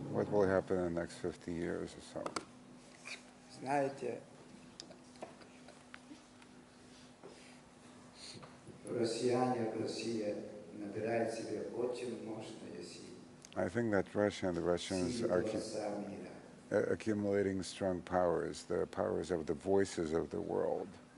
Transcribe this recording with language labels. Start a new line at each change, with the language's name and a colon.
English: What will happen in the next 50 years or so?
Russian: Знаете, россияне в России набирают себе очень мощные силы.
English: I think that Russia and the Russians are accumulating strong powers, the powers of the voices of the world.